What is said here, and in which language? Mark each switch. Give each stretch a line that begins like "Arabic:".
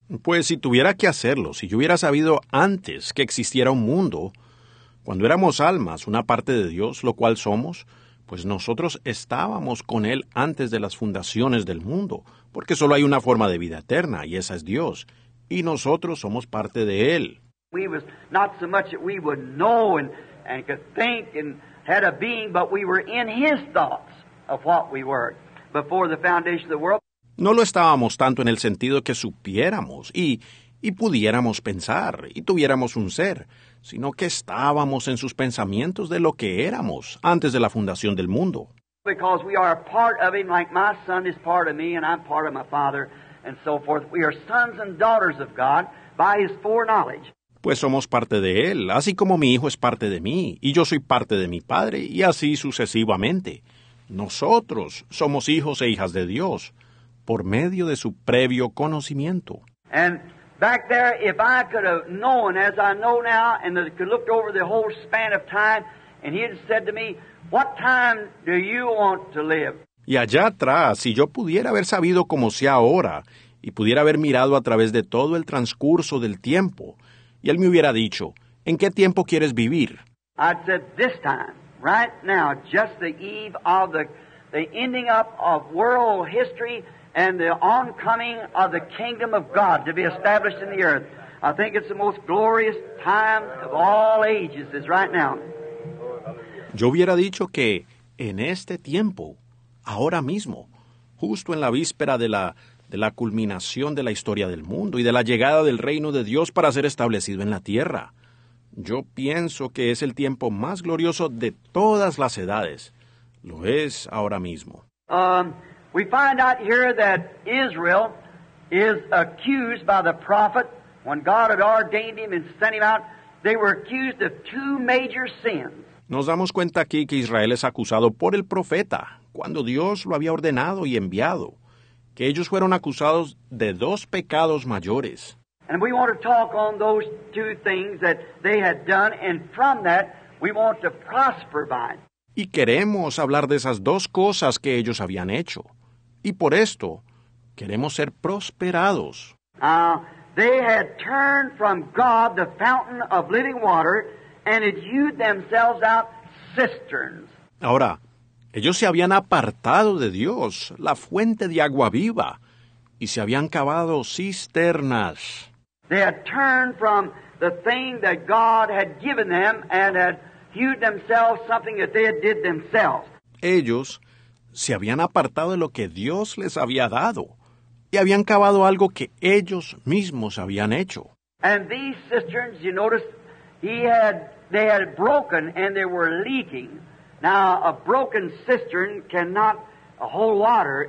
Spanish: Pues si tuviera que hacerlo, si yo hubiera sabido antes que existiera un mundo, cuando éramos almas, una parte de Dios, lo cual somos, pues nosotros estábamos con Él antes de las fundaciones del mundo, porque solo hay una forma de vida eterna, y esa es Dios, y nosotros somos parte de Él.
English: We was not so much that we would know and could think and had a being, but we were in His thoughts of what we were before the foundation of the world.
Spanish: No lo estábamos tanto en el sentido que supiéramos y pudiéramos pensar y tuviéramos un ser, sino que estábamos en sus pensamientos de lo que éramos antes de la fundación del mundo.
English: Because we are a part of him, like my son is part of me, and I'm part of my father, and so forth. We are sons and daughters of God by his foreknowledge.
Spanish: Pues somos parte de él, así como mi hijo es parte de mí, y yo soy parte de mi padre, y así sucesivamente. Nosotros somos hijos e hijas de Dios, por medio de su previo conocimiento.
English: And back there, if I could have known as I know now, and that could looked over the whole span of time, and he had said to me, what time do you want to live?
Spanish: Y allá atrás, si yo pudiera haber sabido como sea ahora, y pudiera haber mirado a través de todo el transcurso del tiempo, y él me hubiera dicho, ¿en qué tiempo quieres vivir?
English: I'd said, this time, right now, just the eve of the ending up of world history, and the oncoming of the kingdom of God to be established in the earth. I think it's the most glorious time of all ages is right now.
Spanish: Yo hubiera dicho que en este tiempo, ahora mismo, justo en la víspera de la culminación de la historia del mundo y de la llegada del reino de Dios para ser establecido en la tierra, yo pienso que es el tiempo más glorioso de todas las edades. Lo es ahora mismo.
English: We find out here that Israel is accused by the prophet when God had ordained him and sent him out. They were accused of two major sins.
Spanish: Nos damos cuenta aquí que Israel es acusado por el profeta cuando Dios lo había ordenado y enviado, que ellos fueron acusados de dos pecados mayores.
English: And we want to talk on those two things that they had done, and from that we want to prosper by it.
Spanish: Y queremos hablar de esas dos cosas que ellos habían hecho. Y por esto, queremos ser prosperados.
English: They had turned from God, the fountain of living water, and had hewed themselves out cisterns.
Spanish: Ahora, ellos se habían apartado de Dios, la fuente de agua viva, y se habían cavado cisternas.
English: They had turned from the thing that God had given them and had hewed themselves something that they had did themselves.
Spanish: Ellos se habían apartado de lo que Dios les había dado y habían cavado algo que ellos mismos habían hecho.
English: And these cisterns, you notice, they had broken and they were leaking. Now, a broken cistern cannot hold water.